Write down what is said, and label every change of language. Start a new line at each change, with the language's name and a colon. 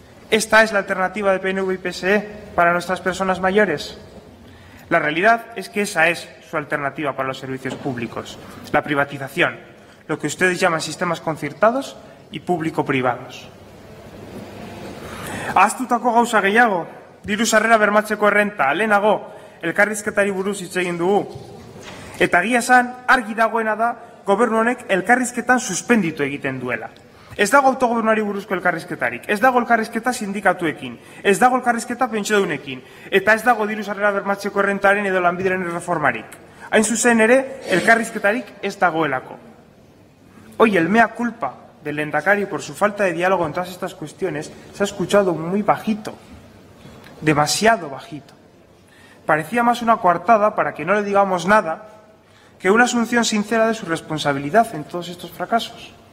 Spanish: ¿Esta es la alternativa de PNV y PSE para nuestras personas mayores? La realidad es que esa es su alternativa para los servicios públicos, la privatización, lo que ustedes llaman sistemas concertados y público-privados.
Basque: ¿Astutako gauza gehiago? Diru sarrera bermatzeko errenta, lehenago, elkarrizketari buruz hitz egin dugu. Eta gia esan, argi dagoena da, gobernu honek elkarrizketan suspenditu egiten duela. Ez dago autogobernuari buruzko elkarrizketarik, ez dago elkarrizketa sindikatuekin, ez dago elkarrizketa pentsiodunekin, eta ez dago diru sarrera bermatzeko errentaren edo lanbideren reformarik. Hain zuzen ere, elkarrizketarik ez dagoelako.
Spanish: Hoy el mea culpa del lehendakari por su falta de diálogo en todas estas cuestiones se ha escuchado muy bajito, demasiado bajito. Parecía más una coartada para que no le digamos nada que una asunción sincera de su responsabilidad en todos estos fracasos.